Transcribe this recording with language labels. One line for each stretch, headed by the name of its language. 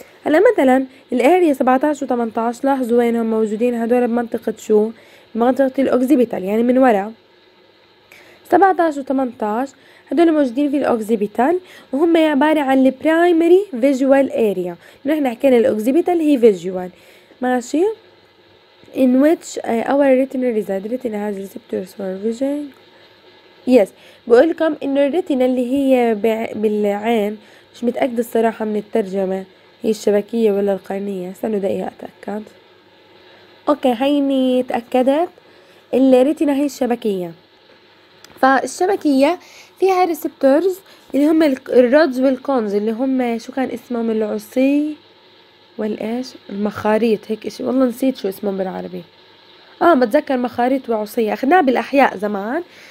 Arabic: هلا مثلا الاريا 17 و18 لاحظوا وينهم موجودين، هدول بمنطقة شو؟ بمنطقة الاوكزيبيتال، يعني من ورا 17 و18 هدول موجودين في الاوكزيبيتال، وهم عبارة عن البرايمري فيجوال اريا. نحن حكينا الاوكزيبيتال هي فيجوال، ماشي.
English: In which our retina resides. Retina has receptors for vision. Yes.
Arabic: بقولكم انه الريتنا اللي هي بالعين، مش متأكد الصراحة من الترجمة، هي الشبكية ولا القرنية؟ استنوا دقيقة اتأكد. اوكي هيني تأكدت، الريتنا هي الشبكية. فالشبكية فيها ريسبتورز اللي هم الرودز والكونز، اللي هم شو كان اسمهم، العصي والايش، المخاريط هيك اشي، والله نسيت شو اسمهم بالعربي، متذكر مخاريط وعصي، اخذناه بالاحياء زمان.